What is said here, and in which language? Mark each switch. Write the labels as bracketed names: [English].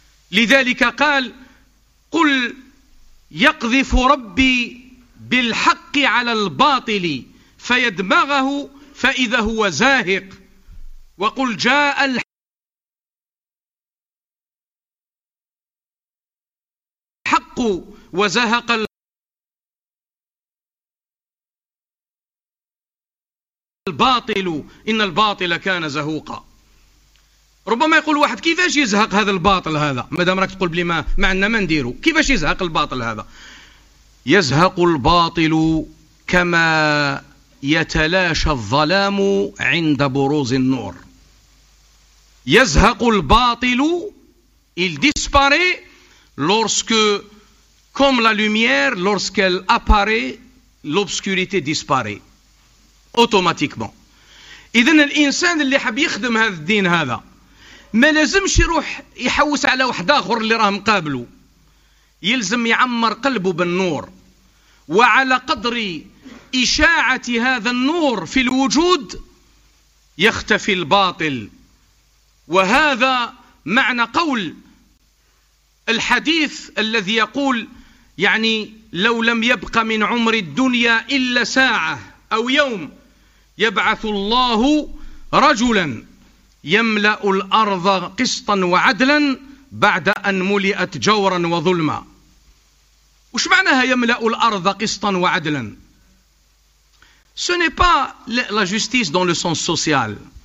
[Arabic] لذلك قال قل يقذف ربي بالحق على الباطل فيدمغه فإذا هو زاهق وقل جاء الحق وزهق الباطل إن الباطل كان زهوقا. ربما يقول واحد كيفاش يزهق هذا الباطل هذا مادام راك تقول بلي ما عندنا ما نديرو، كيفاش يزهق الباطل هذا؟ يزهق الباطل كما يتلاشى الظلام عند بروز النور. يزهق الباطل [French] il disparaît lorsque comme la lumière lorsqu'elle apparaît l'obscurité disparaît اوتوماتيكمون. [Arabic] إذن الإنسان اللي حاب يخدم هذا الدين هذا ما لازمش يروح يحوس على واحد آخر اللي راه مقابله، يلزم يعمر قلبه بالنور، وعلى قدر إشاعة هذا النور في الوجود يختفي الباطل. وهذا معنى قول الحديث الذي يقول يعني لو لم يبق من عمر الدنيا إلا ساعة أو يوم يبعث الله رجلا يملأ الأرض قسطا وعدلا بعد أن ملئت جورا وظلما. وش معناها يملأ الأرض قسطا وعدلا؟ [French] Ce n'est pas la justice dans le sens social.